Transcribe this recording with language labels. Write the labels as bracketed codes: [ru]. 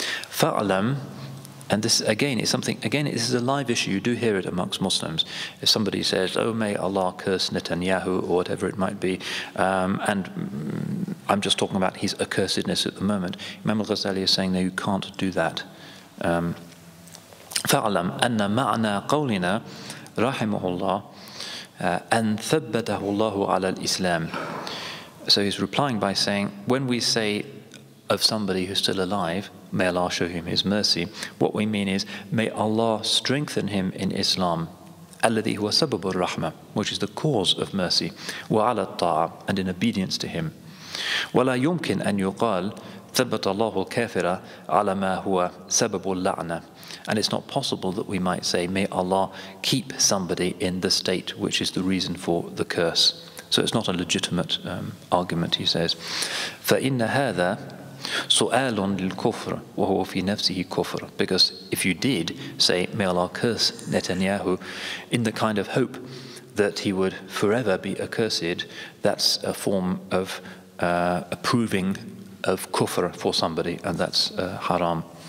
[ar] فعلم, [en] and this again is something, again this is a live issue, you do hear it amongst Muslims. If somebody says, oh may Allah curse Netanyahu or whatever it might be, and I'm just talking about his accursedness at the moment, Imam al-Ghazali is saying, no, you can't do that. [ar] فعلم أن معنى قولنا رحمه الله أن ثبته الله على الإسلام. [en] So he's replying by saying, when we say of somebody who's still alive, may Allah show him his mercy, what we mean is, may Allah strengthen him in Islam, [ar] الذي هو سبب الرحمة, [en] which is the cause of mercy, [ar] وعلى الطاعة, [en] and in obedience to him. [ar] ولا يمكن أن يقال ثبت الله الكافر على ما هو سبب اللعنة. [en] And it's not possible that we might say, may Allah keep somebody in the state which is the reason for the curse. So it's not a legitimate argument, he says. [ar] فَإِنَّ هَذَا سُؤَالٌ لِلْكُفْرِ وَهُوَ فِي نَفْسِهِ كُفْرٌ. [en] Because if you did say, may Allah curse Netanyahu, in the kind of hope that he would forever be accursed, that's a form of approving of kufr for somebody, and that's haram.